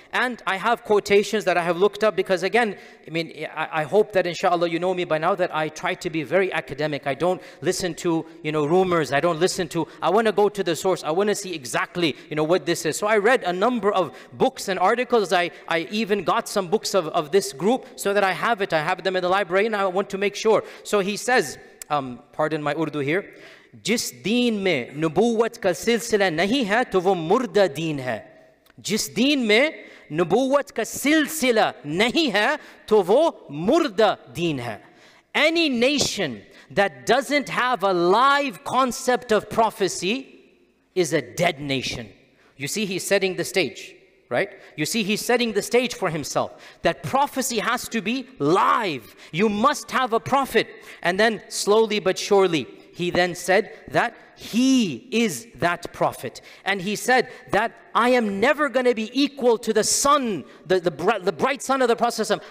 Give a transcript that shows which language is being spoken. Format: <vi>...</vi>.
<en>And I have quotations that I have looked up because again, I mean, I hope that inshallah you know me by now that I try to be very academic. I don't listen to, you know, rumors. I don't listen to, I want to go to the source. I want to see exactly, you know, what this is. So I read a number of books and articles. I even got some books of this group so that I have it. I have them in the library and I want to make sure. So he says, pardon my Urdu here,</en> <ur>جس دین میں نبوت کا سلسلہ نہیں ہے تو وہ مردہ دین ہے جس دین میں نبوت کا سلسلہ نہیں ہے تو وہ مردہ دین ہے</ur> <en>Any nation that doesn't have a live concept of prophecy is a dead nation. You see, he's setting the stage, right? You see, he's setting the stage for himself that prophecy has to be live. You must have a prophet. And then slowly but surely, he then said that he is that prophet. And he said that I am never going to be equal to the sun, the bright sun of the Prophet.</en>